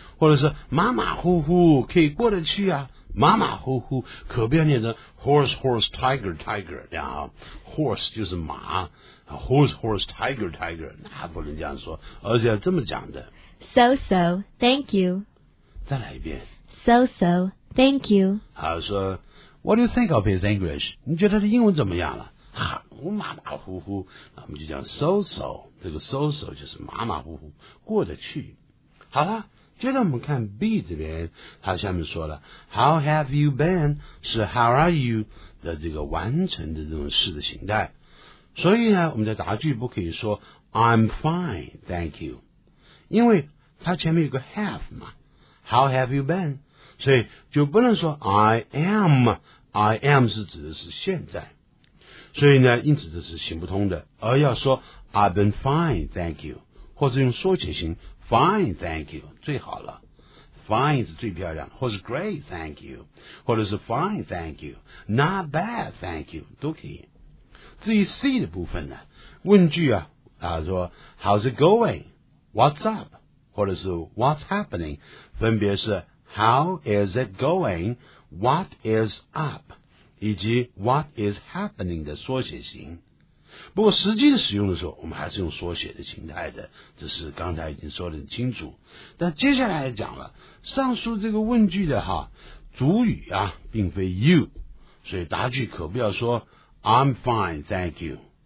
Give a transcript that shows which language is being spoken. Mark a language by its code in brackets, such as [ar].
[zh] 或者是马马虎虎可以过得去啊，马马虎虎可不要念成 horse horse tiger tiger 这样啊， horse 就是马， horse horse tiger tiger 那不能这样说，而且要这么讲的。 [en] So so, thank you. [zh] 再来一遍。 [en] So so, thank you. 好，说 What do you think of his English? [zh] 你觉得他的英文怎么样了？哈，我马马虎虎，那我们就讲 so so， 这个 so so 就是马马虎虎过得去。好了，接着我们看 B 这边，他下面说了 How have you been 是 How are you 的这个完成的这种式的形态，所以呢我们在答句不可以说 I'm fine, thank you，因为他前面有个 have 嘛， How have you been， 所以就不能说 I am， I am 是指的是现在，所以呢因此这是行不通的，而要说 I've been fine, thank you，或是用缩写型 Fine, thank you, 最好了。 [en] Fine 是最漂亮，或是 great, thank you, 或者是 fine, thank you, not bad, thank you, 都可以。 [zh] 至于 C 的部分呢，问句啊，他说 How's it going? [en] What's up? 或者是 What's happening? 分别是 How is it going? What is up? [zh] 以及 What is happening 的缩写型。不过实际的使用的时候我们还是用缩写的形态的，这是刚才已经说得很清楚。但接下来讲了上述这个问句的哈，主语啊并非 you， 所以答句可不要说 I'm fine, thank you。